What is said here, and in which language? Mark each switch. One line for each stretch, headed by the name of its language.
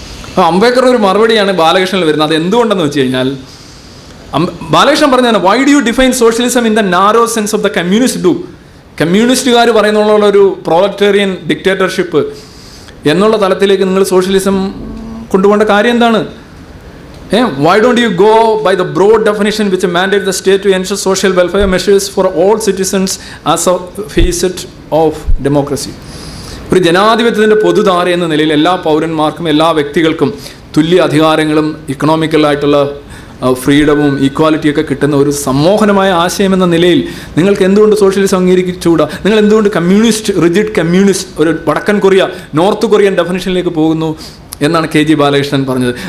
Malayalam: അപ്പോൾ അംബേദ്കറുടെ ഒരു മറുപടിയാണ് ബാലകൃഷ്ണനിൽ വരുന്നത്. അത് എന്തുകൊണ്ടെന്ന് വെച്ച് കഴിഞ്ഞാൽ ബാലകൃഷ്ണൻ പറഞ്ഞതാണ്,
English: Why do you define socialism in the narrow sense of the communist group?
Malayalam: കമ്മ്യൂണിസ്റ്റുകാർ പറയുന്നുള്ള ഒരു പ്രോളറ്റേറിയൻ ഡിക്റ്റേറ്റർഷിപ്പ് എന്നുള്ള തലത്തിലേക്ക് നിങ്ങൾ സോഷ്യലിസം കൊണ്ടുപോകേണ്ട കാര്യം എന്താണ്?
English: Why don't you go by the broad definition which mandates the state to ensure social welfare measures for all citizens as a facet of democracy?
Malayalam: ഒരു ജനാധിപത്യത്തിൻ്റെ പൊതുധാര എന്ന നിലയിൽ എല്ലാ പൗരന്മാർക്കും എല്ലാ വ്യക്തികൾക്കും തുല്യ അധികാരങ്ങളും ഇക്കണോമിക്കലായിട്ടുള്ള ഫ്രീഡവും ഇക്വാലിറ്റിയൊക്കെ കിട്ടുന്ന ഒരു സമ്മോഹനമായ ആശയം എന്ന നിലയിൽ നിങ്ങൾക്ക് എന്തുകൊണ്ട് സോഷ്യലിസം അംഗീകരിച്ചുകൂടാ? നിങ്ങൾ എന്തുകൊണ്ട് കമ്മ്യൂണിസ്റ്റ്, റിജിഡ് കമ്മ്യൂണിസ്റ്റ്, ഒരു വടക്കൻ കൊറിയ, നോർത്ത് കൊറിയൻ ഡെഫിനിഷനിലേക്ക് പോകുന്നു എന്നാണ് കെ ജി ബാലകൃഷ്ണൻ പറഞ്ഞത്.